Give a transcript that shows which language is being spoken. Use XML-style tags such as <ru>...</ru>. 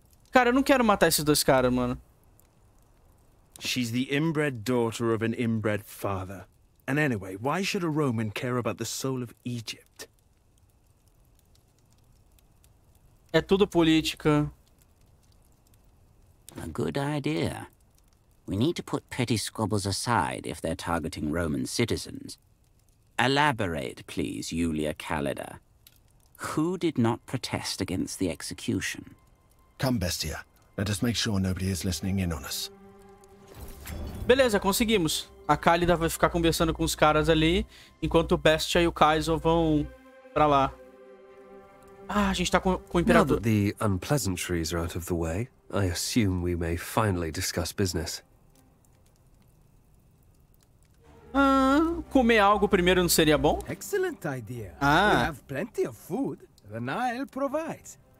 <pt>Cara, eu não quero matar esses dois caras, mano.</pt> <en>She's the inbred daughter of an inbred father. And anyway, why should a Roman care about the soul of Egypt?</en> <pt>É tudo política.</pt> <en>A good idea. We need to put petty squabbles aside if they're targeting Roman citizens. Elaborate, please, Julia Kalida. Who did not protest against the execution? Come, Bestia. Let us make sure nobody is listening in on us.</en> <pt>Beleza, conseguimos. A Kalida vai ficar conversando com os caras ali, enquanto o Bestia e o Kaizo vão pra lá. Ah, a gente tá com o Imperador.</pt> <en>Now that the unpleasantries are out of the way, I assume we may finally discuss business.</en> <pt>Comer algo primeiro não seria bom?</pt> <en>Excellent idea. We have plenty of food. The Nile provides.</en>